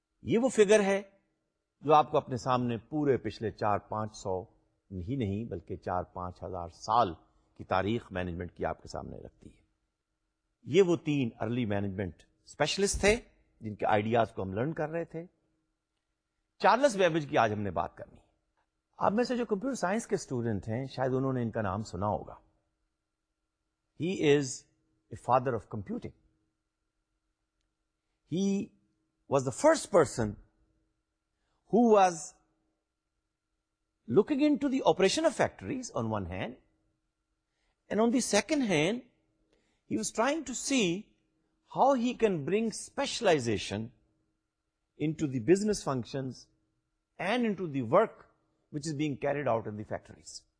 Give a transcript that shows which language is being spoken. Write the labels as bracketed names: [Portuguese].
[Urdu] یہ وہ فگر ہے جو آپ کو اپنے سامنے پورے پچھلے 400-500 نہیں بلکہ 4-5 ہزار سال کی تاریخ مینجمنٹ کی آپ کے سامنے رکھتی ہے. یہ وہ تین ارلی مینجمنٹ اسپیشلسٹ تھے جن کے آئیڈیاز کو ہم لرن کر رہے تھے. چارلس بیبج کی آج ہم نے بات کرنی. آپ میں سے جو کمپیوٹر سائنس کے اسٹوڈنٹ ہیں شاید انہوں نے ان کا نام سنا ہوگا. [English] He is a father of computing. He was the first person who was looking into the operation of factories on one hand, and on the second hand he was trying to see how he can bring specialization into the business functions and into the work which is being carried out in the factories.